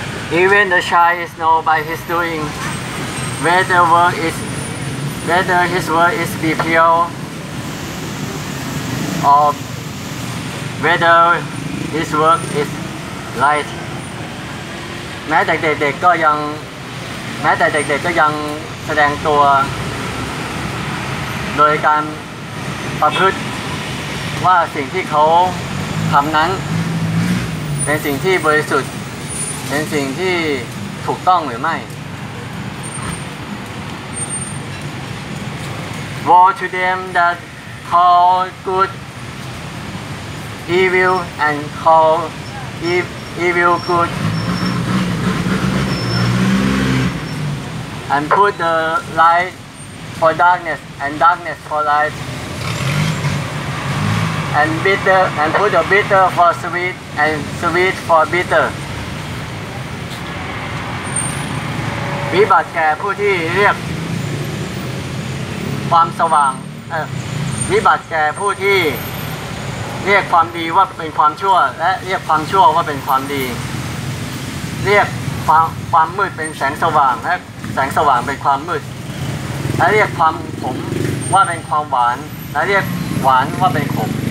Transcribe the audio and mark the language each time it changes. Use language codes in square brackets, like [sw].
[en] Even the child know by his doing whether work is whether his work is be pure or whether his work is light. [th] แม้แต่เด็กๆก็ยังแม้แต่เด็กๆก็ยังแสดงตัว โดยการประพฤติว่าสิ่งที่เขาทำนั้น เป็นสิ่งที่บริสุทธิ์เป็นสิ่งที่ถูกต้องหรือไม่ [en] Woe to them that call good evil and call evil goodAnd put the light for darkness, and darkness for light. And bitter, and put the bitter for sweet, and sweet for bitter. [th] วิบัติแก่ผู้ที่เรียกความสว่างวิบัติแก่ผู้ที่เรียกความดีว่าเป็นความชั่วและเรียกความชั่วว่าเป็นความดีเรียกความมืดเป็นแสงสว่างและแสงสว่างเป็นความมืดและเรียกความขมว่าเป็นความหวานและเรียกหวานว่าเป็นขม